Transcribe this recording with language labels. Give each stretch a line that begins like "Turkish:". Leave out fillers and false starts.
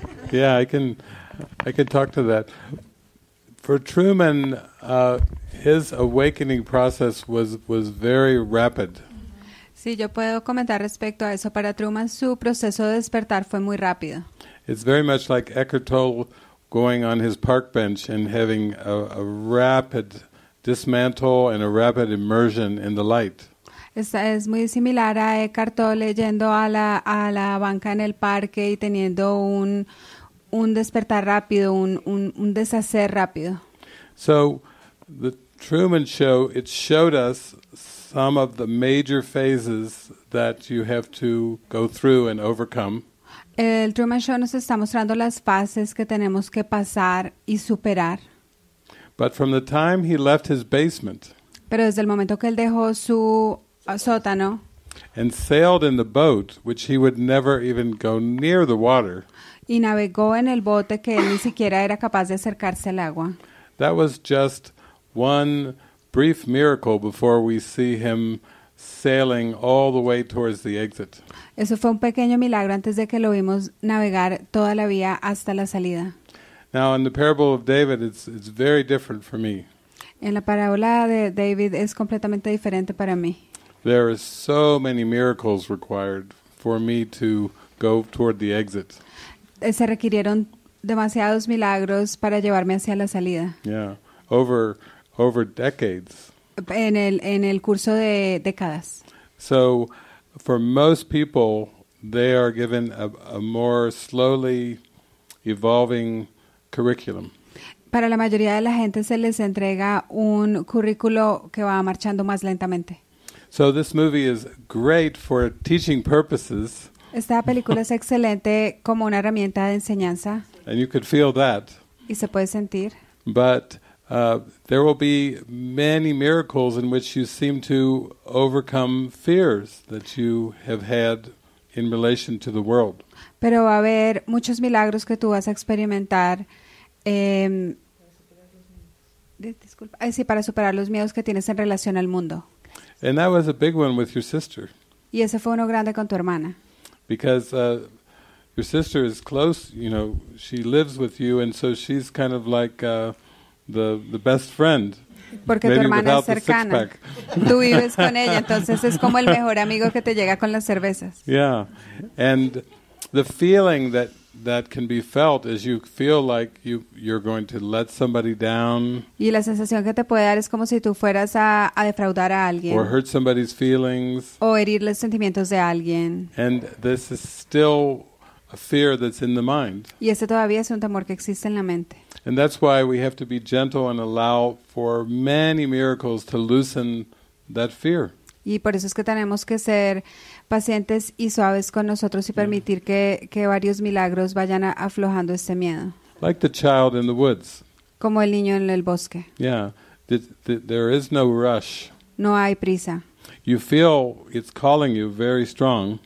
English: Yeah, I can talk to that. For Truman, his awakening process was very rapid.
Spanish: Sí, yo puedo comentar respecto a eso. Para Truman, su proceso de despertar fue muy rápido.
English: It's very much like Eckhart Tolle going on his park bench and having a rapid dismantle and a rapid immersion in the light.
Spanish: Es muy similar a Eckhart Tolle yendo a la banca en el parque y teniendo un despertar rápido, un deshacer rápido.
English: So the Truman Show, it showed us some of the major phases that you have to go through and overcome.
Spanish: El Truman Show nos está mostrando las fases que tenemos que pasar y superar.
English: But from the time he left his basement.
Spanish: Pero desde el momento que él dejó su sótano.
English: And sailed in the boat, which he would never even go near the water.
Spanish: Y navegó en el bote que él ni siquiera era capaz de acercarse al agua.
English: That was just one brief miracle before we see him sailing all the way towards the exit.
Spanish: Eso fue un pequeño milagro antes de que lo vimos navegar toda la vía hasta la salida.
English: Now in the parable of David, it's very different for me.
Spanish: En la parábola de David es completamente diferente para mí.
English: There are so many miracles required for me to go toward the exit.
Spanish: Se requirieron demasiados milagros para llevarme hacia la salida.
English: Yeah, over decades.
Spanish: En el curso de décadas.
English: So, for most people, they are given a more slowly evolving curriculum.
Spanish: Para la mayoría de la gente se les entrega un currículo que va marchando más lentamente.
English: So this movie is great for teaching purposes.
Spanish: Esta película es excelente como una herramienta de enseñanza.
English: And you could feel that.
Spanish: Y se puede sentir.
English: But there will be many miracles in which you seem to overcome fears that you have had in relation to the world.
Spanish: Pero va a haber muchos milagros que tú vas a experimentar para superar los miedos que tienes en relación al mundo.
English: And that was a big one with your sister.
Spanish: Y ese fue uno grande con tu hermana.
English: Because your sister is close, you know, she lives with you, and so she's kind of like the best friend.
Spanish: Porque tu hermana es cercana. Tú vives con ella, entonces es como el mejor amigo que te llega con las cervezas.
English: Yeah, and the feeling that can be felt is you feel like you're going to let somebody down.
Spanish: Y la sensación que te puede dar es como si tú fueras a defraudar a alguien.
English: Or hurt somebody's feelings.
Spanish: O herir los sentimientos de alguien.
English: And this is still a fear that's in the mind.
Spanish: Y ese todavía es un temor que existe en la mente.
English: And that's why we have to be gentle and allow for many miracles to loosen that fear.
Spanish: Y por eso es que tenemos que ser pacientes y suaves con nosotros y permitir que varios milagros vayan aflojando este miedo.
English: Like the child in the woods.
Spanish: Como el niño en el bosque.
English: Yeah, there is no rush.
Spanish: No hay prisa.
English: You feel it's calling you very strong.